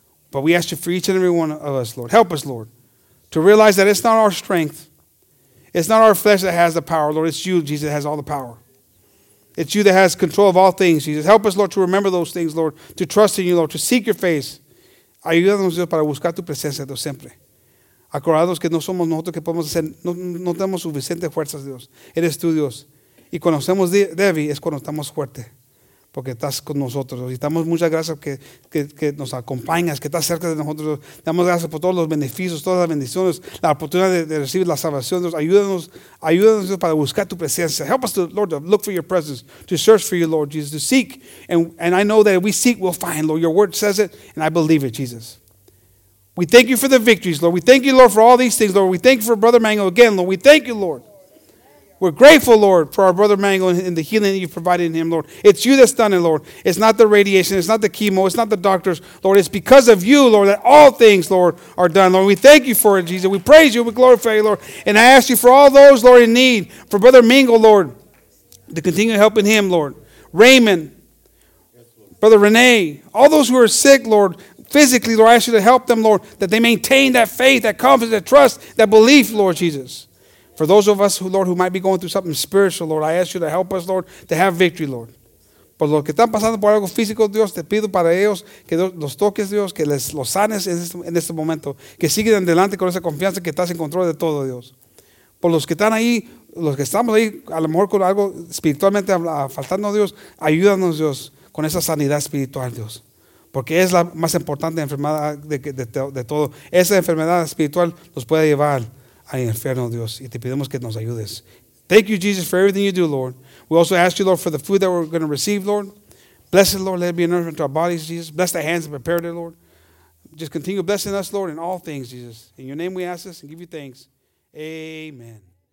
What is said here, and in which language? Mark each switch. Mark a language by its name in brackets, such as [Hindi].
[English] But we ask you for each and every one of us, Lord. Help us, Lord, to realize that it's not our strength. It's not our flesh that has the power, Lord. It's you, Jesus, that has all the power. It's you that has control of all things, Jesus. Help us, Lord, to remember those things, Lord, to trust in you, Lord, to seek your face. [Spanish] Ayúdanos, Dios, para buscar tu presencia, Dios, siempre. Acordados que no somos nosotros que podemos hacer, no tenemos suficientes fuerzas, Dios. Eres tú, Dios. Y cuando somos débiles es cuando estamos fuertes. Porque estás con nosotros. Y damos muchas gracias que nos acompañas, que estás cerca de nosotros. Damos gracias por todos los beneficios, todas las bendiciones, la oportunidad de recibir la salvación. Dios, ayúdanos para buscar tu presencia. [English] Help us, Lord, to look for your presence, to search for you, Lord Jesus, to seek. And I know that if we seek, we'll find, Lord. Your word says it, and I believe it, Jesus. We thank you for the victories, Lord. We thank you, Lord, for all these things, Lord. We thank you for Brother Mango again, Lord. We thank you, Lord. We're grateful, Lord, for our brother Mangle and the healing that you've provided in him, Lord. It's you that's done it, Lord. It's not the radiation. It's not the chemo. It's not the doctors, Lord. It's because of you, Lord, that all things, Lord, are done, Lord. We thank you for it, Jesus. We praise you. We glorify you, Lord. And I ask you for all those, Lord, in need, for Brother Mingle, Lord, to continue helping him, Lord. Raymond, Brother Renee, all those who are sick, Lord, physically, Lord, I ask you to help them, Lord, that they maintain that faith, that confidence, that trust, that belief, Lord Jesus. For those of us, Lord, who might be going through something spiritual, Lord, I ask you to help us, Lord, to have victory, Lord. [Spanish] Por los que están pasando por algo físico, Dios, te pido para ellos que los toques, Dios, que los sanes en este momento. Que sigan adelante con esa confianza que estás en control de todo, Dios. Por los que están ahí, los que estamos ahí, a lo mejor con algo espiritualmente faltando, Dios, ayúdanos, Dios, con esa sanidad espiritual, Dios. Porque es la más importante enfermedad de todo. Esa enfermedad espiritual nos puede llevar ay, inferno, Dios, y te pedimos que nos ayudes. [English] Thank you, Jesus, for everything you do, Lord. We also ask you, Lord, for the food that we're going to receive, Lord. Bless it, Lord. Let it be a nourishment to our bodies, Jesus. Bless the hands that prepared it, Lord. Just continue blessing us, Lord, in all things, Jesus. In your name we ask this and give you thanks. Amen.